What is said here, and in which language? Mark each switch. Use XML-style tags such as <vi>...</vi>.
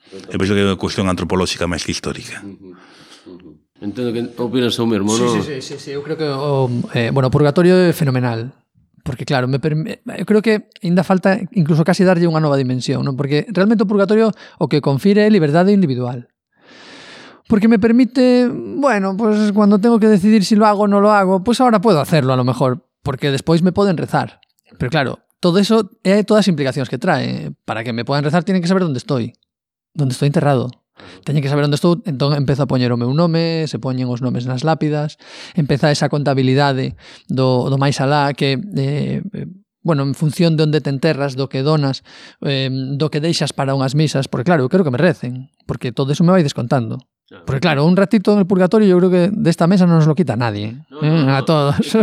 <gl>Eu penso que é unha cuestión antropolóxica máis que histórica. Entendo que opinas ao mesmo, non? Sí. Eu creo que o purgatorio é fenomenal. Porque claro, eu creo que ainda falta incluso casi darlle unha nova dimensión, ¿no? Porque realmente o purgatorio o que confire é liberdade individual.</gl> <es>Porque me permite, bueno, pues cuando tengo que decidir si lo hago o no lo hago, pues ahora puedo hacerlo a lo mejor, porque después me pueden rezar. Pero claro, todo eso hay todas las implicaciones que trae. Para que me puedan rezar tienen que saber dónde estoy enterrado.</es> <gl>Teñen que saber onde estou, entón empezo a poñer o meu nome, se poñen os nomes nas lápidas, empeza esa contabilidade do máis alá, que bueno, en función de onde te enterras, do que donas, do que deixas para unhas misas, porque claro, eu quero que me recen, porque todo eso me vai descontando.</gl> <es>Porque claro, un ratito en el purgatorio, yo creo que de esta mesa no nos lo quita nadie, a todos.</es>